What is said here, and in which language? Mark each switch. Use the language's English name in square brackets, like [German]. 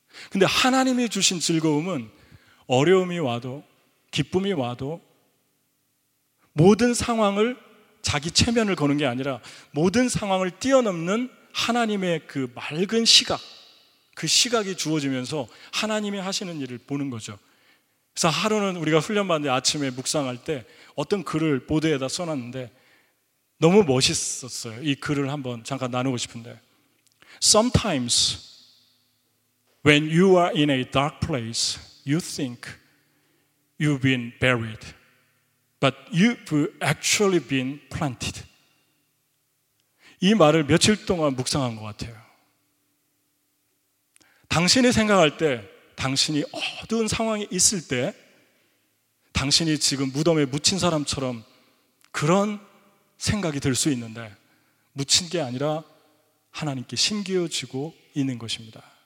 [Korean] 근데 하나님이 주신 즐거움은 어려움이 와도 기쁨이 와도 모든 상황을 자기 체면을 거는 게 아니라 모든 상황을 뛰어넘는 하나님의 그 맑은 시각, 그 시각이 주어지면서 하나님이 하시는 일을 보는 거죠. 그래서 하루는 우리가 훈련받는데 아침에 묵상할 때 어떤 글을 보드에다 써놨는데 너무 멋있었어요. 이 글을 한번 잠깐 나누고 싶은데, [English] Sometimes when you are in a dark place, you think you've been buried. but you've actually been planted. [Korean] 이 말을 며칠 동안 묵상한 것 같아요. 당신이 생각할 때, 당신이 어두운 상황에 있을 때, 당신이 지금 무덤에 묻힌 사람처럼 그런 생각이 들 수 있는데, 묻힌 게 아니라 하나님께 심겨지고 있는 것입니다.